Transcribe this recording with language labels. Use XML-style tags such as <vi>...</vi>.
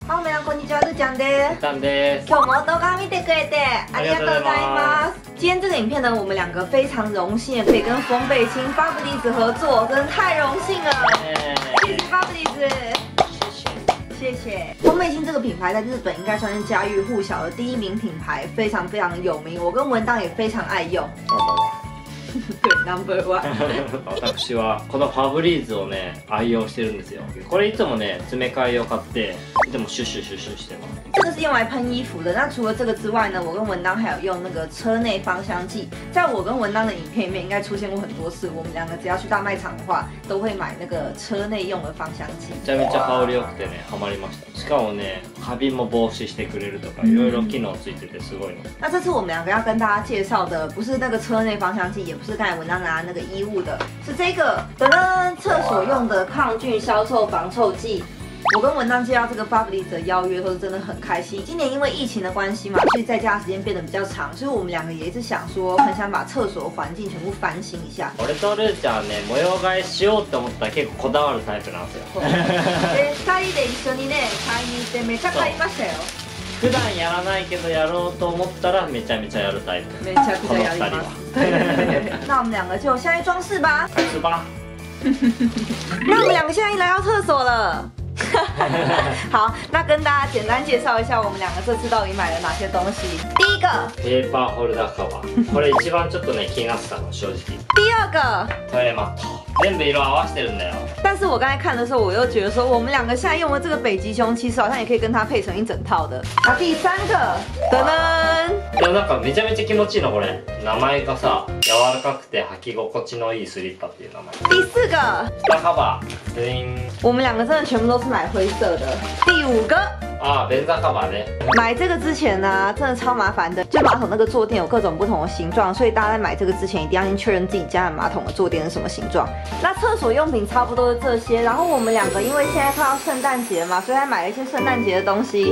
<ja>はい、皆さんこんにちは、るちゃんです。ちゃんです。今日も動画見てくれてありがとうございます。</ja> <zh>今天这个影片呢，我们两个非常荣幸可以跟丰北青、巴布迪斯合作，真的太荣幸了。谢谢巴布迪斯。谢谢。丰北青这个品牌在日本应该算是家喻户晓的第一名品牌，非常非常有名。我跟文档也非常爱用。</zh> <en>Number one。</en> <ja>私はこのファブリーズをね愛用してるんですよ。これいつもね詰め替え用買っていつもシュシュシュシュしてます。</ja> <zh>这个是用来喷衣服的。那除了这个之外呢，我跟文当还有用那个车内芳香剂。在我跟文当的影片里面应该出现过很多次，我们两个只要去大卖场的话都会买那个车内用的芳香剂。</zh> <ja>めちゃめちゃ香り良くてねハマりました。しかもねカビも防止してくれるとかいろいろ機能ついててすごい。</ja> <zh>那这次我们两个要跟大家介绍的不是那个车内芳香剂，也不是刚才文章拿那个衣物的，是这个噔噔厕所用的抗菌消臭防臭剂。我跟文章接到这个 Bubbly 的邀约都是真的很开心。今年因为疫情的关系嘛，所以在家的时间变得比较长，所以我们两个也一直想说很想把厕所环境全部翻新一下。</zh> <ja>俺とルーちゃんね模様替えしようって思ったら結構こだわるタイプなんですよ。 2人で一緒にね買いに行ってめちゃ買いましたよ。普段やらないけどやろうと思ったらめちゃめちゃやるタイプ。めちゃくちゃやります。この2人は。</ja> <zh>那我们两个就下去装饰吧。开始吧。那我们两个现在一来到厕所了。好，那跟大家简单介绍一下我们两个这次到底买了哪些东西。第一个。</zh> <ja>ペーパーホルダーカバー。これ一番ちょっとね気になったの正直。</ja> <zh>第二个。</zh> <ja>トイレマット。全部色合わせてるんだよ。</ja> <zh>但是我刚才看的时候，我又觉得说我们两个现在用的这个北极熊，其实好像也可以跟它配成一整套的。啊，第三个。噔噔。</zh> <ja>いやなんかめちゃめちゃ気持ちいいのこれ。名前がさ柔らかくて履き心地のいいスリッパっていう名前。</ja> <zh>第四个。</zh> <ja>下カバー。ドゥイン。</ja> <zh>我们两个真的全部都是买灰色的。第五个。</zh> <ja>啊，便座カバーね。</ja> <zh>买这个之前呢、啊，真的超麻烦的。就马桶那个坐垫有各种不同的形状，所以大家在买这个之前一定要先确认自己家的马桶的坐垫是什么形状。那厕所用品差不多是这些，然后我们两个因为现在快要圣诞节嘛，所以还买了一些圣诞节的东西。</zh>